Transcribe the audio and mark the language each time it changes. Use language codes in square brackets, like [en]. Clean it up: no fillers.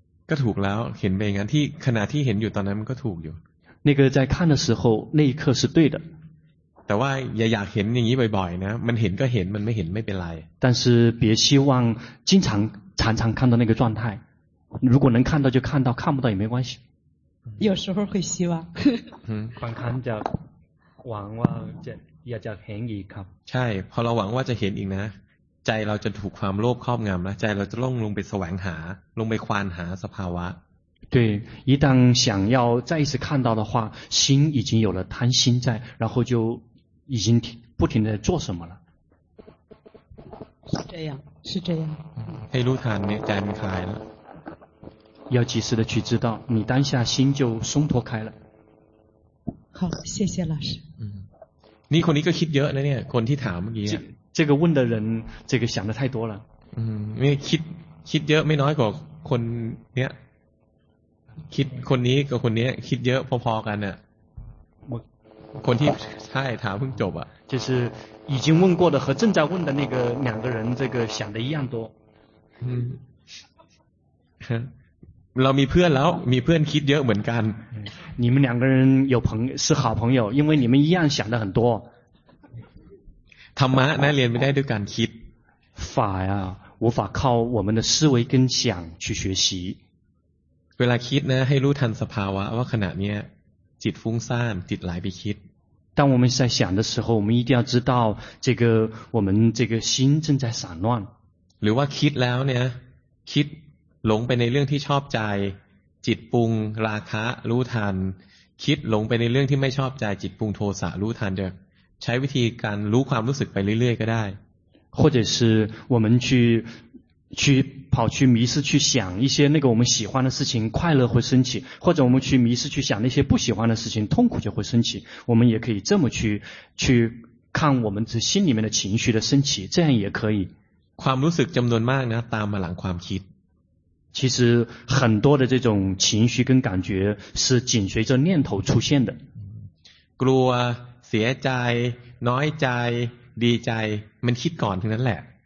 [th] ก็ถูกแล้วเห็นไปงั้นที่ขณะที่เห็นอยู่ตอนนั้นมันก็ถูกอยู่ [zh] 那个在看的时候那一刻是对的 [th] แต่ว่าอย่าอยากเห็นอย่างนี้บ่อยๆนะมันเห็นก็เห็นมันไม่เห็นไม่เป็นไร [zh] 但是别希望常常看到那个状态如果能看到就看到看不到也没关系有时候会希望 [th] บางครั้งจะหวังว่าจะอยากจะเห็นอีกครับ ใช่พอเราหวังว่าจะเห็นอีกนะใจเราจะถูกความโลภครอบงำแล้วใจเราจะลงไปแสวงหาลงไปควานหาสภาวะ [zh] 对一旦想要再一次看到的话心已经有了贪心在然后就已经不停地做什么了是这样 [th] ให้รู้ทันใจมันคลายแล้ว [zh] 要及时的去知道你当下心就松脱开了好谢谢老师 [th] นี่คนนี้ก็คิดเยอะนะเนี่ยคนที่ถามเมื่อกี้ [zh] 这个问的人这个想的太多了 [th] นี่คิดเยอะไม่น้อยกว่าคนเนี้ยคิดคนนี้กับคนเนี้ยคิดเยอะพอๆกันน่ะคนที่ใช่ถามเพิ่งจบอ่ะ [zh] 就是已经问过的和正在问的那个两个人这个想的一样多 [th] 嗯，เรามีเพื่อนแล้วมีเพื่อนคิดเยอะเหมือนกัน [zh] 你们两个人有朋友是好朋友因为你们一样想的很多 [th] ธรรมะนะเรียนไม่ได้ด้วยการคิด [zh] 法呀无法靠我们的思维跟想去学习 [th] เวลาคิดนะให้รู้ทันสภาวะว่าขณะเนี้ยจิตฟุ้งซ่านจิตหลายไปคิด [zh] 当我们在想的时候我们一定要知道这个我们这个心正在散乱 [th] หรือว่าคิดแล้วเนี่ยคิดหลงไปในเรื่องที่ชอบใจจิตปรุงราคะรู้ทันคิดหลงไปในเรื่องที่ไม่ชอบใจจิตปรุงโทสะรู้ทันจะใช้วิธีการรู้ความรู้สึกไปเรื่อยๆก็ได้ [zh] 或者是我们去跑去迷失去想一些那个我们喜欢的事情快乐会升起或者我们去迷失去想那些不喜欢的事情痛苦就会升起我们也可以这么去看我们心里面的情绪的升起这样也可以 [th] ความรู้สึกจำนวนมากนะตามมาหลังความคิด [zh] 其实很多的这种情绪跟感觉是紧随着念头出现的 [th] กลัวเสียใจน้อยใจดีใจมันคิดก่อนทั้งนั้นแหละ